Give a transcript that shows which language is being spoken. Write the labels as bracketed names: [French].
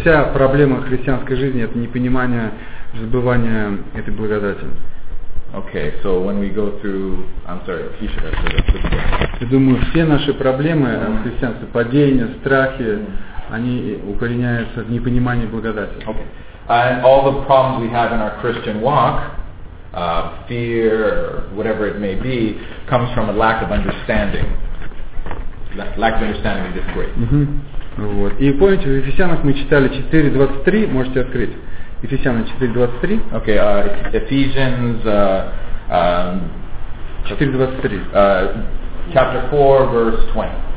[Russian] Вся проблема христианской жизни – это непонимание, забывание этой благодати. [English] Okay, so when we go through, I'm sorry, he should have said that. [Russian] Я думаю, все наши проблемы христианства, падения, страхи, они укореняются в непонимании благодати. [English] Okay, and all the problems we have in our Christian walk. Fear, whatever it may be, comes from a lack of understanding. Lack of understanding of this grace. [Russian] Mm-hmm. Вот. И помните, в Ефесянах мы читали 4:23, можете открыть. Ефесянам 4:23. [English] Okay, Ephesians 4:23. Chapter 4, verse 20.